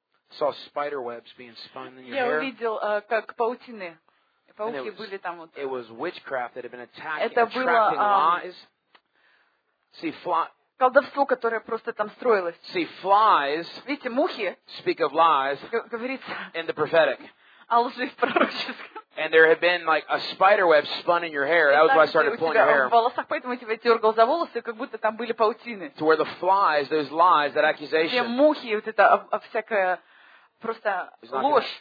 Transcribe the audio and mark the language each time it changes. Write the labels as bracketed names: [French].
[English] I saw spider webs being spun in your hair. [Russian] Я увидел, как паутины. Пауки были там вот. [English] It was witchcraft that had been attacking, [Russian] это было, [English] attracting lies. See, [Russian] колдовство, которое просто там строилось. [English] See, flies. [Russian] Видите, мухи. [English] Speak of lies. [Russian] Говорится. [English] In the prophetic. [Russian] А лжи в пророческом. [English] And there had been like a spider web spun in your hair. That was why I started pulling your hair. [Russian] В волосах, поэтому я тебя дергал за волосы, как будто там были паутины. [English] To where the flies, those lies, that accusation. [Russian] Где мухи, вот это всякая просто ложь.